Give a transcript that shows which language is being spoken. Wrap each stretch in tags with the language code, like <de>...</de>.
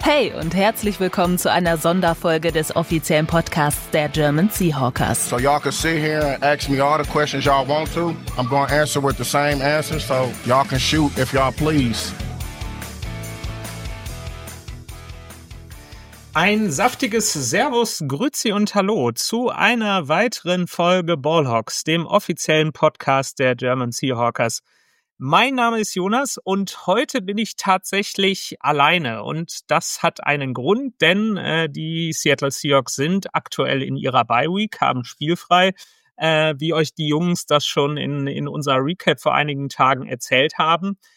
<de>Hey und herzlich willkommen zu einer Sonderfolge des offiziellen Podcasts der German Seahawkers.</de> <en>So y'all can sit here and ask me all the questions y'all want to. I'm going to answer with the same answer, so y'all can shoot if y'all please.</en> <de>Ein saftiges Servus, Grüzi und Hallo zu einer weiteren Folge Ballhawks, dem offiziellen Podcast der German Seahawkers. Mein Name ist Jonas und heute bin ich tatsächlich alleine und das hat einen Grund, denn die Seattle Seahawks sind aktuell in ihrer Bye Week, haben spielfrei, wie euch die Jungs das schon in unserer Recap vor einigen Tagen erzählt haben.</de>